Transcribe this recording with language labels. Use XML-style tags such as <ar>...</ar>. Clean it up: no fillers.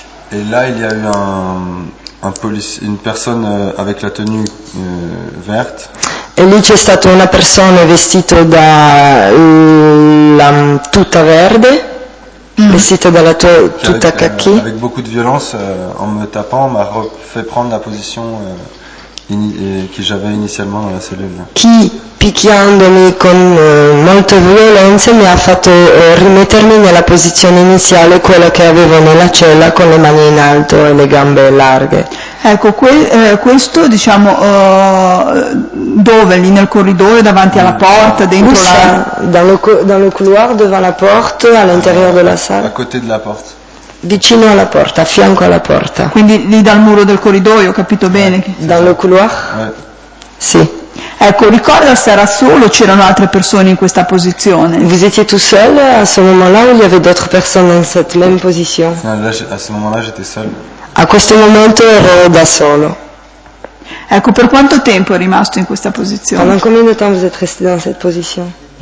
<fr>E là il y a eu</fr> <it>una persona</it> <fr>avec la tenue verte.</fr> <it>E lì c'è stata una persona vestita da la tuta verde. Vestita dalla tua tuta kaki.</it> <fr>Avec beaucoup de violence, en me tapant, m'a fait prendre la position che j'avais initialement dans la cellule.</fr> <it>Chi, picchiandomi con molte violenze, mi ha fatto rimettermi nella posizione iniziale, quella che avevo nella cella, con le mani in alto e le gambe larghe. Ecco, questo, diciamo, dove? Lì nel corridoio, davanti alla porta, dentro la...</it> <fr>Dans le couloir, devant la porte, à l'intérieur de la salle. À côté de la porte.</fr> <it>Vicino alla porta, a fianco alla porta. Quindi lì dal muro del corridoio, ho capito bene?</it> <fr>Dans le couloir? Ouais.</fr> <it>Sì. Ecco, ricorda se era solo o c'erano altre persone in questa posizione?</it> <fr>Vous étiez tout seul à ce moment-là ou il y avait d'autres personnes dans cette même position? À ce moment-là, j'étais seul.</fr> <it>A questo momento ero da solo. Ecco, per quanto tempo è rimasto in questa posizione?</it> <fr>Pendant combien de temps vous êtes resté dans cette position?</fr>